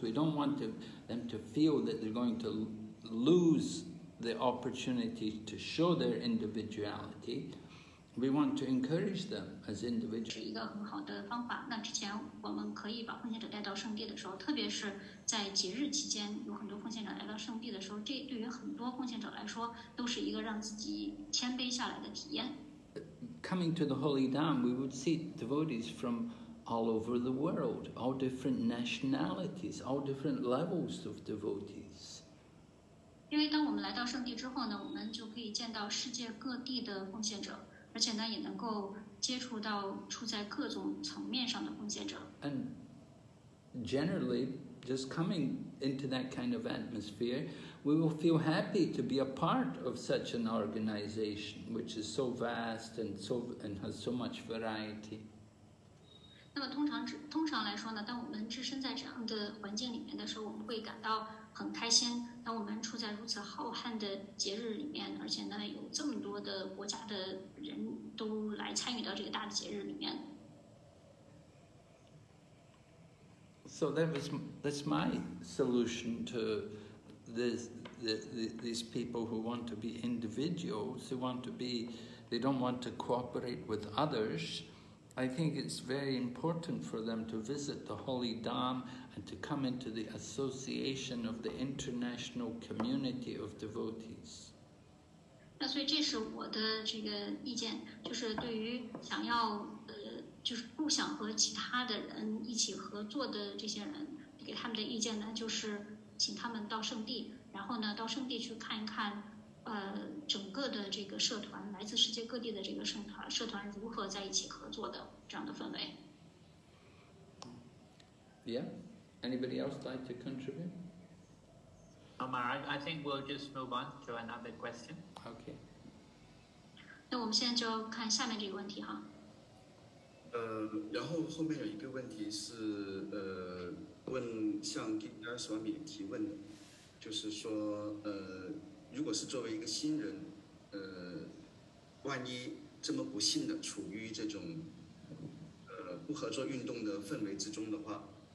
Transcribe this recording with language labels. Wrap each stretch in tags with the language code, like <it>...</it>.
<en>We don't want them to feel that they're going to lose the opportunity to show their individuality. We want to encourage them as individuals.</en> <zh>是一个很好的方法。那之前我们可以把奉献者带到圣地的时候，特别是在节日期间，有很多奉献者来到圣地的时候，这对于很多奉献者来说都是一个让自己谦卑下来的体验。</zh> <en>Coming to the holy dam, we would see devotees from all over the world, all different nationalities, all different levels of devotees.</en> <zh>因为当我们来到圣地之后呢，我们就可以见到世界各地的奉献者，而且呢也能够接触到处在各种层面上的奉献者。</zh> <en>And generally, just coming into that kind of atmosphere, we will feel happy to be a part of such an organization which is so vast and has so much variety.</en> <zh>那么通常来说呢，当我们置身在这样的环境里面的时候，我们会感到很开心。当我们处在如此浩瀚的节日里面，而且呢有这么多的国家的人都来参与到这个大的节日里面。</zh> <en>So that's my solution to these people who want to be individuals, who want to be, they don't want to cooperate with others. I think it's very important for them to visit the Holy Dham. And to come into the association of the international community of devotees.</en> <zh>那所以这是我的这个意见，就是对于想要就是不想和其他的人一起合作的这些人，给他们的意见呢，就是请他们到圣地，然后呢到圣地去看一看，整个的这个社团，来自世界各地的这个社团如何在一起合作的这样的氛围。</zh> <en>Yeah. Anybody else like to contribute? Maharaj, I think we'll just move on to another question. Okay.</en> <zh>那我们现在就看下面这个问题哈。然后后面有一个问题是问向 Gitar Swami 提问的，就是说如果是作为一个新人，万一这么不幸的处于这种不合作运动的氛围之中的话。</zh>